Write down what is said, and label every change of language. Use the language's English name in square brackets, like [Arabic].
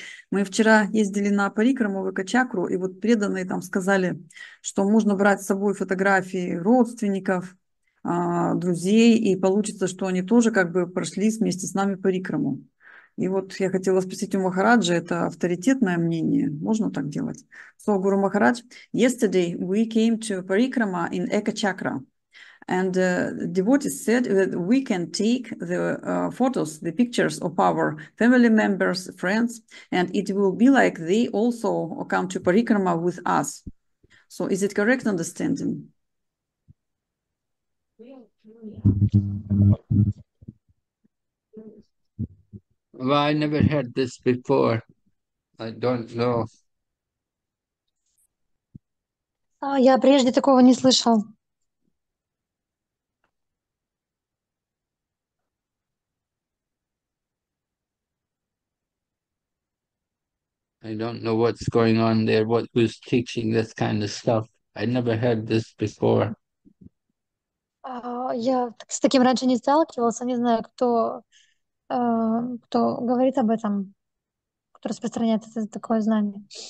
[Russian] Мы вчера ездили на парикраму в Экачакру, и вот преданные там сказали, что можно брать с собой фотографии родственников, друзей, и получится, что они тоже как бы прошли вместе с нами парикраму. И вот я хотела спросить у Махараджа, это авторитетное мнение, можно так делать? [English] So, Guru Maharaj, yesterday we came to Parikrama in Eka Chakra, and devotees said that we can take the photos, the pictures of our family members, friends, and it will be like they also come to Parikrama with us. So, is it correct understanding? Well, I never heard this before. I don't know. [Russian] А я прежде такого не слышал. [English] I don't know what's going on there, what who's teaching this kind of stuff. I never heard this before. [Russian] Я с таким раньше не сталкивался, не знаю, кто. Кто говорит об этом, кто распространяет это такое знание.